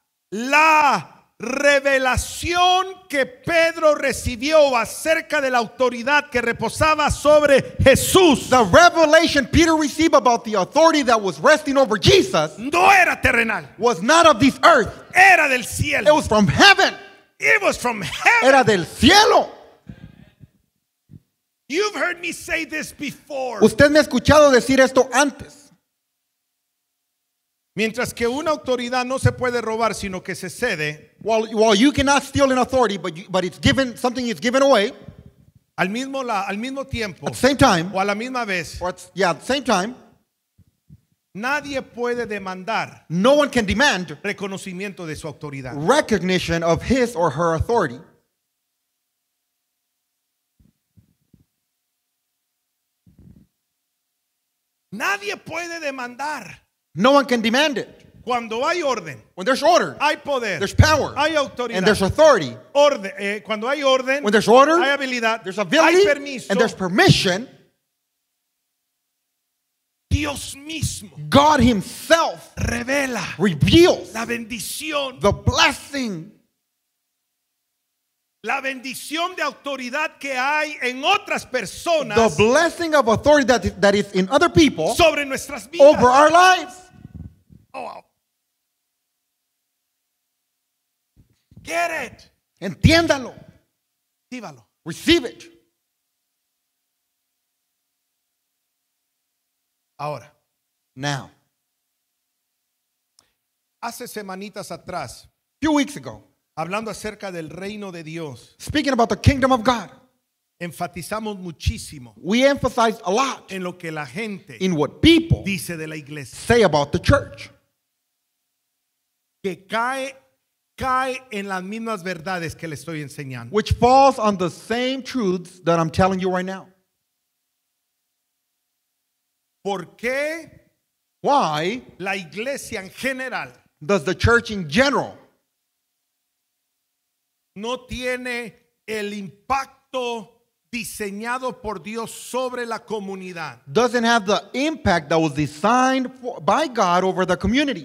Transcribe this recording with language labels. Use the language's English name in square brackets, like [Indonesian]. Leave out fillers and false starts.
[Spanish] La revelación que Pedro recibió acerca de la autoridad que reposaba sobre Jesús, [English] the revelation Peter received about the authority that was resting over Jesus, [Spanish] no era terrenal, [English] was not of this earth, [Spanish] era del cielo, [English] it was from heaven, it was from heaven, [Spanish] era del cielo. [English] You've heard me say this before. [Spanish] Usted me ha escuchado decir esto antes. Mientras que una autoridad no se puede robar, sino que se cede, [English] while you cannot steal an authority, but it's given, something is given away, [Spanish] al mismo tiempo, [English] at the same time, [Spanish] o a la misma vez, [English] or at the same time, [Spanish] nadie puede demandar, [English] no one can demand, [Spanish] reconocimiento de su autoridad, [English] recognition of his or her authority. [Spanish] Nadie puede demandar. [English] No one can demand it. [Spanish] Cuando hay orden, [English] when there's order, [Spanish] hay poder, [English] there's power, [Spanish] hay autoridad, [English] and there's authority. [Spanish] Cuando hay orden, [English] when there's order, [Spanish] hay habilidad, [English] there's ability, [Spanish] hay permiso, [English] and there's permission. [Spanish] Dios mismo, [English] God himself, [Spanish] revela, [English] reveals, [Spanish] la bendición, [English] the blessing, [Spanish] la bendición de autoridad que hay en otras personas, [English] the blessing of authority that is in other people, [Spanish] sobre nuestras vidas, [English] over our lives. Oh, wow. Get it. [Spanish] Entiéndalo. Recíbalo. [English] Receive it. [Spanish] Ahora. [English] Now. [Spanish] Hace semanitas atrás, [English] few weeks ago, [Spanish] hablando acerca del reino de Dios, [English] speaking about the kingdom of God, [Spanish] enfatizamos muchísimo, [English] we emphasize a lot, [Spanish] en lo que la gente, [English] in what people, [Spanish] dice de la iglesia, [English] say about the church, [Spanish] que cae en las mismas verdades que le estoy enseñando, [English] which falls on the same truths that I'm telling you right now. [Spanish] ¿Por qué? [English] Why? [Spanish] La iglesia en general, [English] does the church in general, [Spanish] no tiene el impacto diseñado por Dios sobre la comunidad, [English] doesn't have the impact that was designed by God over the community,